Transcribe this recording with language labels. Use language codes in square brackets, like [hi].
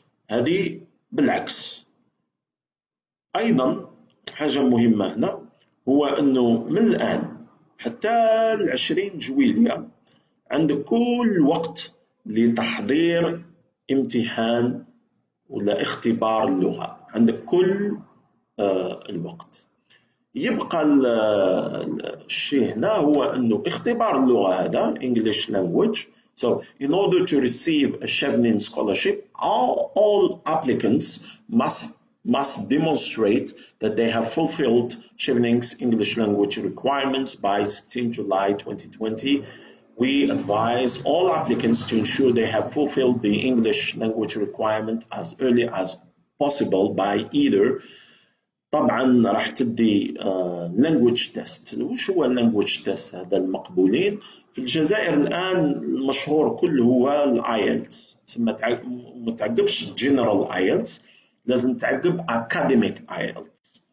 [ar] هذه بالعكس. ايضا حاجه مهمه هنا هو انه من الان حتى 20 جويلية عندك كل وقت لتحضير امتحان ولا اختبار اللغة، عندك كل الوقت. يبقى الشيء هنا هو انه اختبار اللغة هذا English language. [en] So in order to receive a Chevenin scholarship, all applicants must demonstrate that they have fulfilled Chevening's English language requirements by 16 July 2020. We advise all applicants to ensure they have fulfilled the English language requirement as early as possible by either. [ar] طبعا راح تدي language test. وش هو language test هذا المقبولين؟ في الجزائر الآن المشهور كله هو الايلتس، ما تعقبش general ايلتس، لازم تعقب اكاديميك ايلتس.